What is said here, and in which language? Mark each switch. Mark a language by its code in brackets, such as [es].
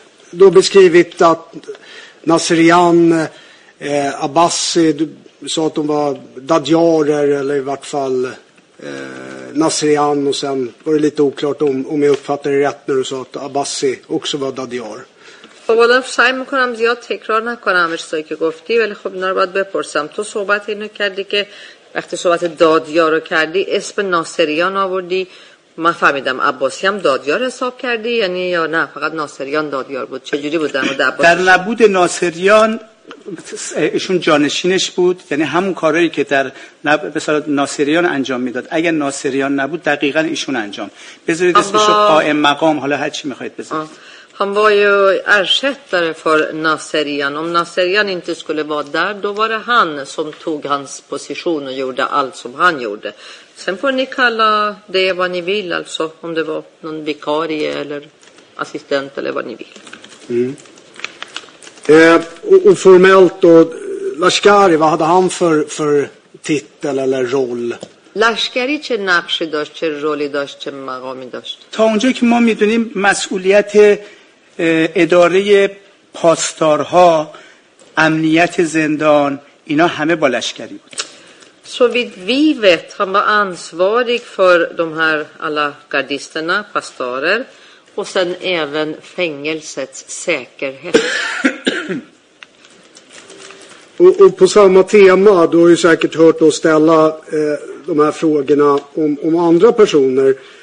[sv] Du har beskrivit att Nasrian, Abbasi, du sa att de var dadjarer eller i vart fall Nasrian, och sen var det lite oklart om jag uppfattade rätt när du sa att Abbasi också var dadjar. [fa] خب الان سعی میکنم زیاد تکرار نکنم چیزایی که گفتی، ولی خب اینا رو باید بپرسم. تو صحبت اینو کردی که وقتی صحبت دادیار رو کردی اسم ناصریان آوردی، من فهمیدم عباسی هم دادیار حساب کردی یعنی، یا نه فقط ناصریان دادیار بود؟ چه جوری بود؟ در نبود ناصریان ایشون جانشینش بود، یعنی همون کارهایی که در مثلا ناصریان انجام میداد، اگر ناصریان نبود دقیقاً ایشون انجام بذارید اسمشو قائم مقام، حالا هر چی میخواهید بذارید. [sv] Han var ju ersättare för Nasrian. Om Nasrian inte skulle vara där, då var det han som tog hans position och gjorde allt som han gjorde. Sen får ni kalla det vad ni vill, alltså om det var någon vikarie eller assistent eller vad ni vill. Mm. Formellt då, Lashkari, vad hade han för titel eller roll? [fa] لشکری چه نقشی داشت، چه رولی داشت، چه مقامی داشت؟ تا اونجا که ما میدونیم مسئولیت اداره پاسدارها، امنیت زندان، اینا همه با لشکری بود. [sv] Så vid vi vet han var ansvarig för de här alla gardisterna, pastorer, och sen även fängelsets säkerhet. Och på samma tema, du har ju säkert hört oss ställa de här frågorna om andra personer.